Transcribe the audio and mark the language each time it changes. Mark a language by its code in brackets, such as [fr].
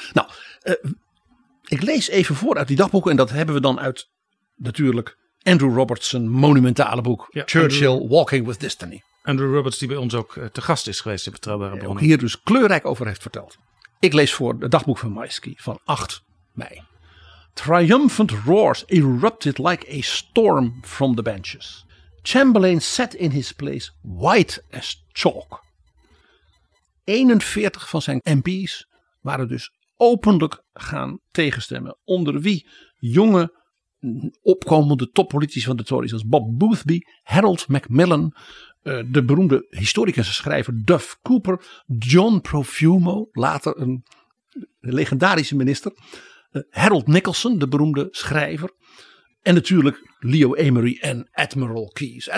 [nl] Nou, ik lees even voor uit die dagboeken en dat hebben we dan uit natuurlijk Andrew Robertson monumentale boek. Ja, Churchill, Andrew, Walking with Destiny. Andrew Roberts, die bij ons ook te gast is geweest in Betrouwbare Bronnen. Ook hier dus kleurrijk over heeft verteld. Ik lees voor het dagboek van Majewski van 8 mei. [en] Triumphant roars erupted like a storm from the benches. Chamberlain sat in his place white as chalk. [nl] 41 van zijn MP's waren dus openlijk gaan tegenstemmen. Onder wie jonge opkomende toppolitici van de Tories als Bob Boothby, Harold Macmillan, de beroemde historicus en schrijver Duff Cooper, John Profumo, later een legendarische minister, Harold Nicholson, de beroemde schrijver, en natuurlijk Leo Amery en Admiral Keyes.